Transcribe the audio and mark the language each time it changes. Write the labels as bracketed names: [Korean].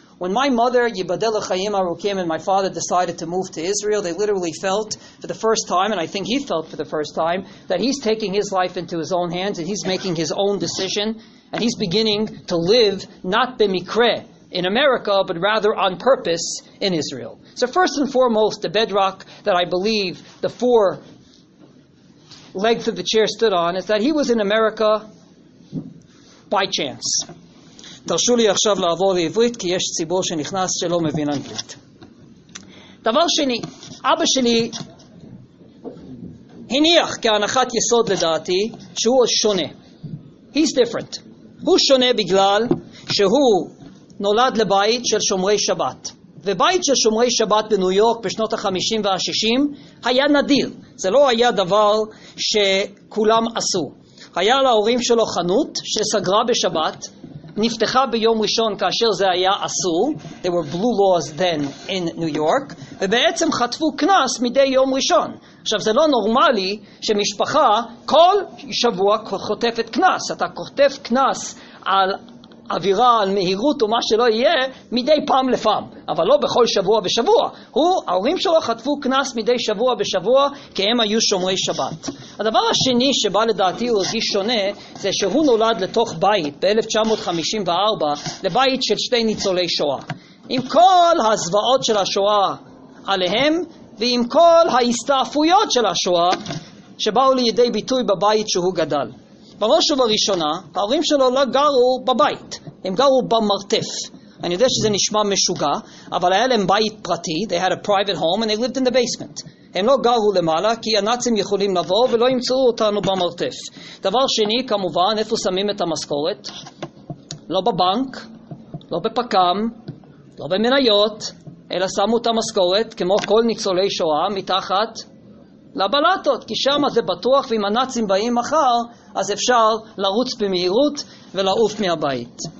[English] When my mother, Yibadel Chayim Arukim, and my father decided to move to Israel, they literally felt for the first time, and I think he felt for the first time, that he's taking his life into his own hands, and he's making his own decision, and he's beginning to live, not b'mikre, in America, but rather on purpose in Israel. So first and foremost, the bedrock that I believe the four legs of the chair stood on is that he was in America by chance. [Hebrew] תרשו לי עכשיו לעבור לעברית, כי יש ציבור שנכנס שלא מבין אנגלית. דבר שני, אבא שלי הניח כהנחת יסוד לדעתי שהוא שונה. [English] He's different. [Hebrew] הוא שונה בגלל שהוא נולד לבית של שומרי שבת. ובית של שומרי שבת בניו יורק בשנות ה-50 וה-60 היה נדיר. זה לא היה דבר שכולם עשו. היה להורים שלו חנות שסגרה בשבת, נפתחה ביום ראשון כאשר זה היה אסור. [English] There were blue laws then in New York. [Hebrew] ובעצם חטפו כנס מדי יום ראשון. עכשיו זה לא נורמלי שמשפחה כל שבוע חוטפת כנס. אתה חוטף כנס על אווירה, על מהירות או מה שלא יהיה, מדי פעם לפעם. אבל לא בכל שבוע ושבוע. ההורים שלו חטפו כנס מדי שבוע ושבוע, כי הם היו שומרי שבת. הדבר השני שבא לדעתי הוא רגיש שונה, זה שהוא נולד לתוך בית ב-1954, לבית של שתי ניצולי שואה. עם כל הזוועות של השואה עליהם, ועם כל ההסתעפויות של השואה, שבאו לידי ביטוי בבית שהוא גדל. בראש ובראשונה, ההורים שלו לא גרו בבית, הם גרו במרתף. אני יודע שזה נשמע משוגע, אבל היה להם בית פרטי, [English] they had a private home and they lived in the basement. [Hebrew] הם לא גרו למעלה, כי הנאצים יכולים לבוא ולא ימצאו אותנו במרתף. דבר שני, כמובן, איפה שמים את המשכורת? לא בבנק, לא בפקם, לא במניות, אלא שמו את המשכורת, כמו כל ניצולי שואה, מתחת לבלטות, כי שם זה בטוח, ואם הנאצים באים מחר, אז אפשר לרוץ במהירות ולעוף מהבית.